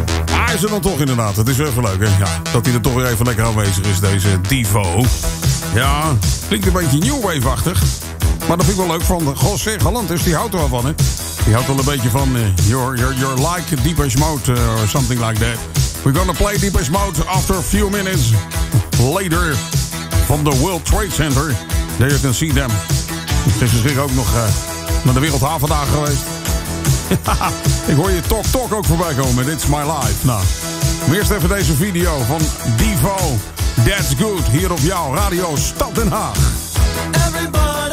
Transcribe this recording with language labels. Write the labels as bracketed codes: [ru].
[nl] Hij is er dan toch inderdaad. Het is even leuk, hè. Ja, dat hij er toch weer even lekker aanwezig is, deze Divo. Ja, klinkt een beetje new wave-achtig. Maar dat vind ik wel leuk van José Galantis, die houdt er wel van, hè. Die houdt wel een beetje van [en] your like Deepest Mode or something like that. We're gonna play Deepest Mode after a few minutes later from the World Trade Center. There you can see them. [nl] Het is ook nog naar de Wereldhavendagen geweest. Ik hoor je talk ook voorbij komen. It's my life. Nou, eerst even deze video van Divo. [en] That's good. [nl] Hier op jouw radio Stad Den Haag. Everybody.